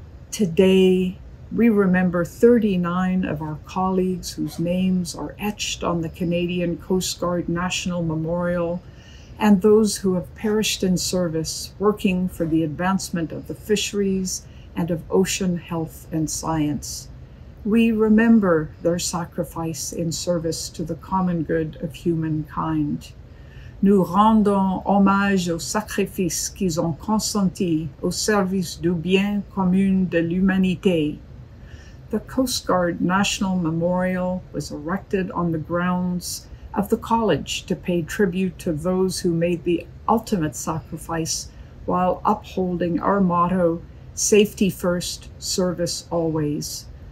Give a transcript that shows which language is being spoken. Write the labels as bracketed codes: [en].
[en] Today, we remember 39 of our colleagues whose names are etched on the Canadian Coast Guard National Memorial, and those who have perished in service, working for the advancement of the fisheries and of ocean health and science. We remember their sacrifice in service to the common good of humankind. [fr] Nous rendons hommage aux sacrifices qu'ils ont consentis au service du bien commun de l'humanité. [en] The Coast Guard National Memorial was erected on the grounds of the college to pay tribute to those who made the ultimate sacrifice while upholding our motto, safety first, service always.